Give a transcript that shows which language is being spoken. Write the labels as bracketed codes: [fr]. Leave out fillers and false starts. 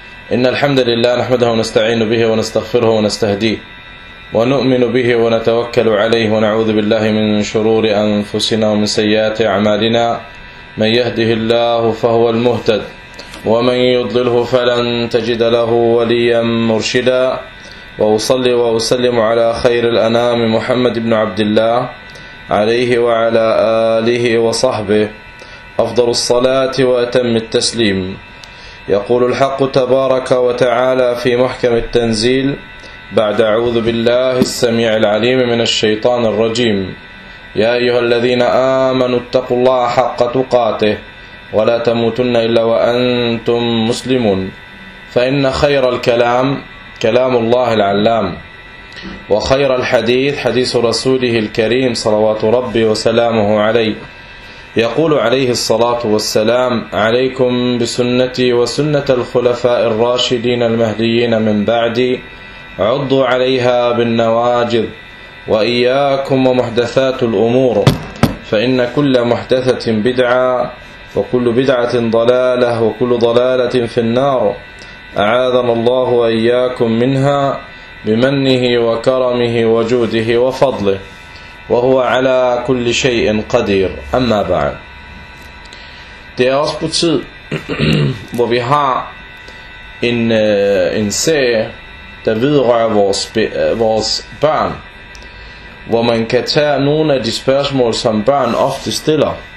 [ar] Inna alhamdulillah, nahmadahu wa nasta'inu bihi wa nastaghfiruhu wa nastahdihi wa nu'minu bihi wa natawakkalu alayhi wa na'udhu billahi min shururi anfusina wa min sayyiati a'malina man yahdihillahu fahuwa al-muhtad ومن يضلله فلن تجد له وليا مرشدا وأصلي وأسلم على خير الأنام محمد بن عبد الله عليه وعلى آله وصحبه أفضل الصلاة وأتم التسليم. يقول الحق تبارك وتعالى في محكم التنزيل بعد أعوذ بالله السميع العليم من الشيطان الرجيم: يا أيها الذين آمنوا اتقوا الله حق تقاته ولا تموتن إلا وأنتم مسلمون فإن خير الكلام كلام الله العلام وخير الحديث حديث رسوله الكريم صلوات ربي وسلامه عليه. يقول عليه الصلاة والسلام: عليكم بسنتي وسنة الخلفاء الراشدين المهديين من بعدي عضوا عليها بالنواجذ وإياكم ومحدثات الأمور فإن كل محدثة بدعة وكل بدعة ضلالة وكل ضلالة في النار أعاذنا الله وإياكم منها بمنه وكرمه وجوده وفضله وهو على كل شيء قدير. أما بعد. [da] Det er også på tid, hvor vi har en serie, der vedrører vores børn, hvor man kan tage nogle af de spørgsmål, som børn ofte stiller.